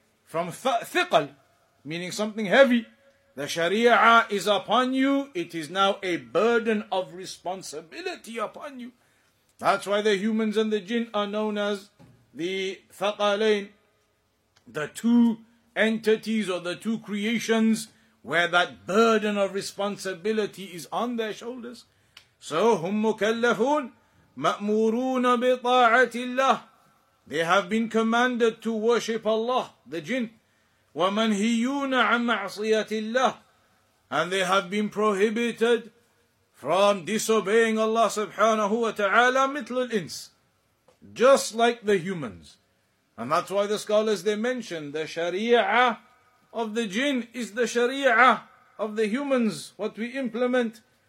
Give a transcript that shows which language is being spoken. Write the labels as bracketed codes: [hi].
[en] From thiqal, meaning something heavy, the sharia is upon you, it is now a burden of responsibility upon you. That's why the humans and the jinn are known as the thaqalain, the two entities or the two creations where that burden of responsibility is on their shoulders. [ar] So, هم مكلفون مأمورون بطاعة الله. [en] They have been commanded to worship Allah, the jinn. [ar] وَمَنْهِيُّونَ عَنْ مَعْصِيَةِ اللَّهِ. [en] And they have been prohibited from disobeying Allah subhanahu wa ta'ala, [ar] مِثْلُ الْإِنسِ. [en] Just like the humans. And that's why the scholars, they mention the sharia of the jinn is the sharia of the humans, what we implement.